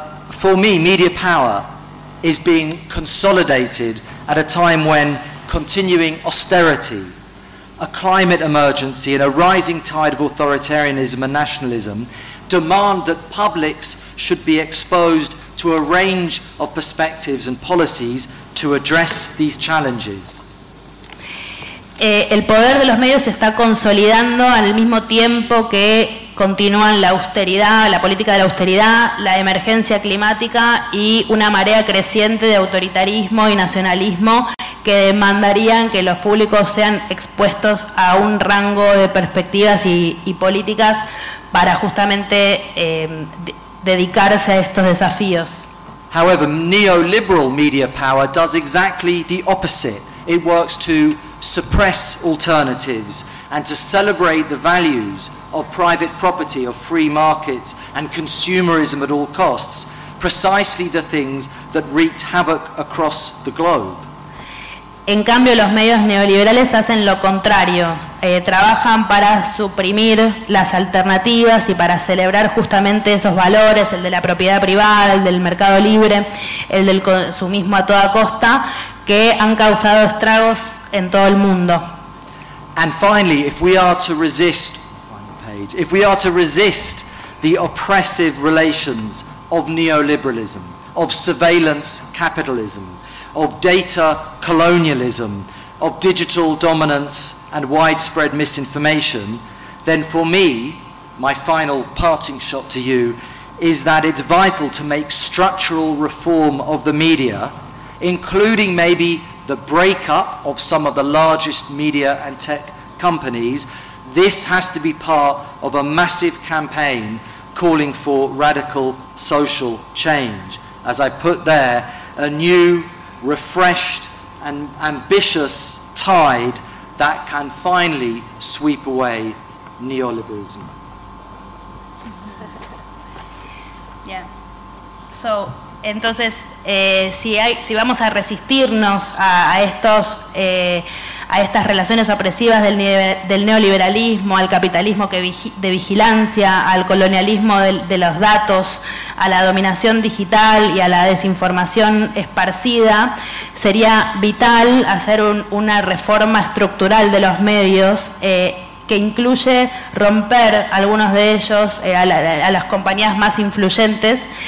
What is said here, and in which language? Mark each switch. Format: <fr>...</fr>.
<en>For me, media power is being consolidated at a time when continuing austerity, a climate emergency, and a rising tide of authoritarianism and nationalism demand that publics should be exposed to a range of perspectives and policies to address these challenges.</en> <es>El poder de los medios se está consolidando al mismo tiempo que continúan la austeridad, la política de la austeridad, la emergencia climática y una marea creciente de autoritarismo y nacionalismo que demandarían que los públicos sean expuestos a un rango de perspectivas y políticas para justamente dedicarse a estos desafíos.</es> <en>However, neoliberal media power does exactly the opposite. It works to suppress alternatives and to celebrate the values of private property, of free markets and consumerism at all costs, precisely the things that wreaked havoc across the globe.</en> <es>En cambio, los medios neoliberales hacen lo contrario. Trabajan para suprimir las alternativas y para celebrar justamente esos valores, el de la propiedad privada, el del mercado libre, el del consumismo a toda costa, que han causado estragos en todo el mundo.</es> <en>And finally, if we are to resist, if we are to resist the oppressive relations of neoliberalism, of surveillance capitalism, of data colonialism, of digital dominance and widespread misinformation, then for me, my final parting shot to you is that it's vital to make structural reform of the media, including maybe the breakup of some of the largest media and tech companies. This has to be part of a massive campaign calling for radical social change. As I put there, a new, refreshed and ambitious tide that can finally sweep away neoliberalism. Yeah.</en> <es>So, entonces, si vamos a resistirnos a estas relaciones opresivas del neoliberalismo, al capitalismo de vigilancia, al colonialismo de los datos, a la dominación digital y a la desinformación esparcida, sería vital hacer una reforma estructural de los medios que incluye romper algunos de ellos, a las compañías más influyentes,</es>